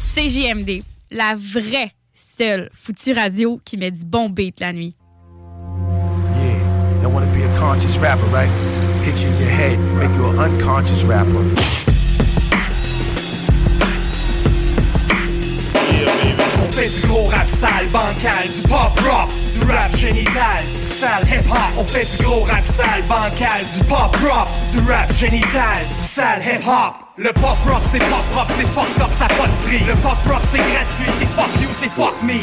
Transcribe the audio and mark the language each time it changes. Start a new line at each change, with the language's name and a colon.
French: CJMD, la vraie seule foutue radio qui met du bon beat la nuit.
English: I want to be a conscious rapper, right? Hit you in your head, make you an unconscious rapper.
French: On fait du gros rap sale, bancal, du pop rock, du rap génital, du sale hip hop. On fait du gros rap sale, bancal, du pop rock, du rap génital, du sale hip hop. Le pop rock c'est pop rock, c'est fucked up, ça pas de prix. Le pop rock c'est gratuit, c'est fuck you, c'est fuck me.